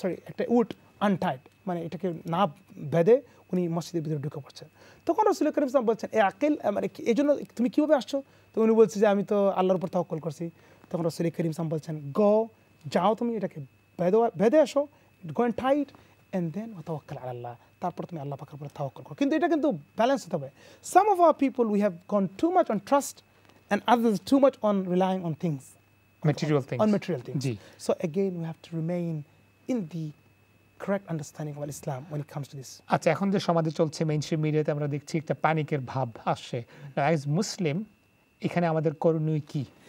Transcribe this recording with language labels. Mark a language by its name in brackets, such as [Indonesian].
[Bangla] একটা উট আনটাইট মানে এটাকে না বেঁধে উনি মসজিদের ভিতরে ঢুকে পড়ছেন তখন রসুল করিম সাল্লাম বলছেন এ আকিল মানে এই জন্য তুমি কীভাবে আসছো তো উনি বলছে যে আমি তো আল্লাহর উপর তওয়াক্কল করছি তখন রসুল করিম সাল্লাম বলছেন যাও তুমি এটাকে বেঁধে আসো [English] go and tie it and then [Arabic] তওয়াক্কাল আলা আল্লাহ [Bangla] তারপর তুমি আল্লাহ পাকের উপরে তওয়াক্কল করো কিন্তু এটা কিন্তু ব্যালেন্স হতে হবে [English] Some of our people we have gone too much on trust and others too much on relying on things Material things. On material things. So again, we have to remain in the correct understanding of Islam when it comes to this. [Bangla] আচ্ছা এখন যে সমাজে চলছে mainstream মিডিয়াতে আমরা দেখছি একটা প্যানিকের ভাব আসছে অ্যাজ মুসলিম এখানে আমাদের করণীয় কি